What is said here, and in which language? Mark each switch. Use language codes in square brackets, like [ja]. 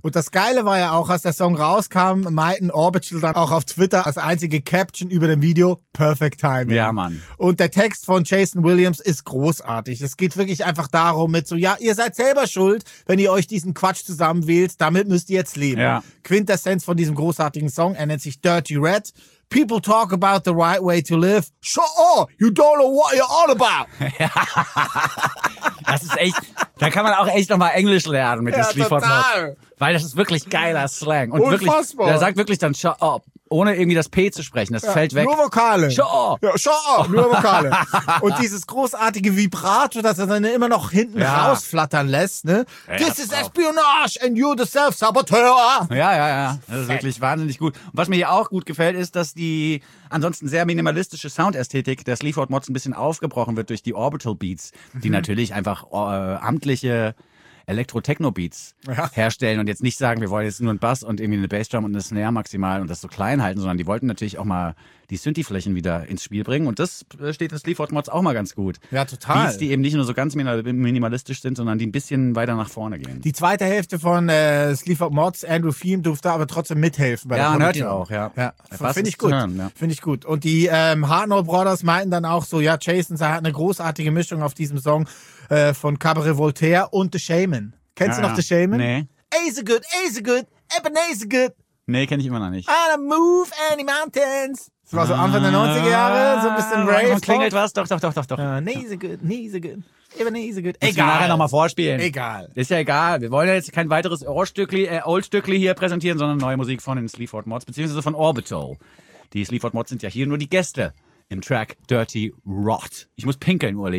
[de] Und das Geile war ja auch, als der Song rauskam, meinten Orbital dann auch auf Twitter als einzige Caption über dem Video, [en] perfect timing. [de] Ja, Mann. Und der Text von Jason Williams ist großartig. Es geht wirklich einfach darum mit so, ja, ihr seid selber schuld, wenn ihr euch diesen Quatsch zusammenwählt, damit müsst ihr jetzt leben. Ja. Quintessenz von diesem großartigen Song, er nennt sich Dirty Red. [en] People talk about the right way to live. Shut up, you don't know what you're all about. [de] Das ist echt, da kann man auch echt nochmal Englisch lernen mit dem Sleaford Mods. Total. Weil das ist wirklich geiler Slang. Und unfassbar. Wirklich, der sagt wirklich dann [en] shut up, [de] ohne irgendwie das P zu sprechen, das fällt weg. Nur Vokale. [en] Shut up. [de] Ja, [en] shut up, [de] nur Vokale. Und dieses großartige Vibrato, das er dann immer noch hinten rausflattern lässt. Ne? Ja, [en] this is espionage and you the self-saboteur. [de] Ja, ja, ja. Das ist wirklich wahnsinnig gut. Und was mir hier auch gut gefällt, ist, dass die ansonsten sehr minimalistische Soundästhetik der Sleaford Mods ein bisschen aufgebrochen wird durch die Orbital Beats, die natürlich einfach amtliche Elektro-Techno-Beats herstellen und jetzt nicht sagen, wir wollen jetzt nur einen Bass und irgendwie eine Bassdrum und eine Snare maximal und das so klein halten, sondern die wollten natürlich auch mal die Synthi-Flächen wieder ins Spiel bringen. Und das steht in Sleaford Mods auch mal ganz gut. Ja, total. Beats, die eben nicht nur so ganz minimalistisch sind, sondern die ein bisschen weiter nach vorne gehen. Die zweite Hälfte von Sleaford Mods, Andrew Thiem, durfte aber trotzdem mithelfen. Bei ja, der man hört ihn auch, ja. Ja. Finde ich gut. Hören, ja. Finde ich gut. Und die Hartnell Brothers meinten dann auch so, ja, Jason, er hat eine großartige Mischung auf diesem Song von Cabaret Voltaire und The Shaman. Kennst du noch The Shaman? Nee. [en] Ace good, Ebenezer good. [de] Nee, kenne ich immer noch nicht. [en] I don't move any mountains. [de] Das war so Anfang der 90er Jahre, so ein bisschen rave. Und klingelt was? Doch. Nee, [en] so good. Ebenezer good. [de] Egal. Müssen wir nachher nochmal vorspielen. Egal. Ist ja egal. Wir wollen ja jetzt kein weiteres Old-Stückli hier präsentieren, sondern neue Musik von den Sleaford Mods, beziehungsweise von Orbital. Die Sleaford Mods sind ja hier nur die Gäste im Track Dirty Rot. Ich muss pinkeln, Uli.